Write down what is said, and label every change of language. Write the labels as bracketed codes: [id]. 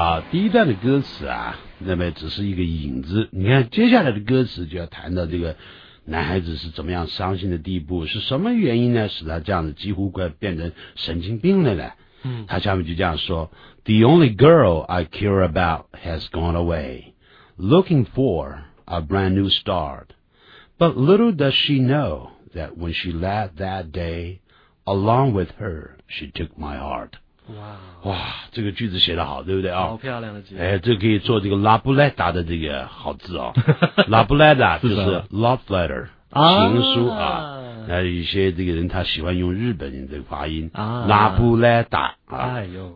[zh] 一段的歌词啊，那么只是一个影子。你看接下来的歌词就要谈到这个男孩子是怎么样伤心的地步，是什么原因呢使他这样子几乎快变成神经病了呢？嗯，他下面就这样说 [en] The only girl I care about has gone away, looking for a brand new start. But little does she know that when she left that day, along with her, she took my heart. 哇 [zh] 哇，这个句子写得好，对不对啊？好漂亮的句子。哎，这个、可以做这个拉布莱达的这个好字哦。拉布莱达就是 love letter 情书啊。那、啊、有些这个人他喜欢用日本人的发音啊，拉布莱达啊。哎呦，